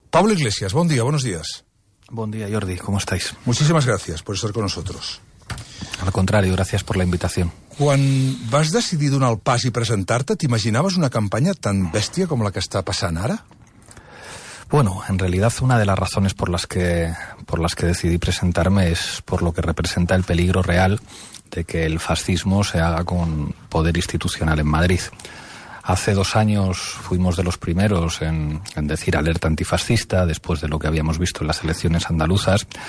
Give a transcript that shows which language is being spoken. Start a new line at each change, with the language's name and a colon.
Spanish: Pablo Iglesias, buen día, buenos días. Buen día, Jordi, ¿cómo estáis? Muchísimas gracias por estar con nosotros. Al contrario, gracias por la invitación.
Catalan: Quan vas decidir donar el pas i presentar-te, t'imaginaves una campanya tan bèstia com la que està passant ara?
Spanish: Bueno, en realidad una de las razones por las que decidí presentarme es por lo que representa el peligro real de que el fascismo se haga con poder institucional en Madrid. Hace dos años fuimos de los primeros en decir alerta antifascista después de lo que habíamos visto en las elecciones andaluzas.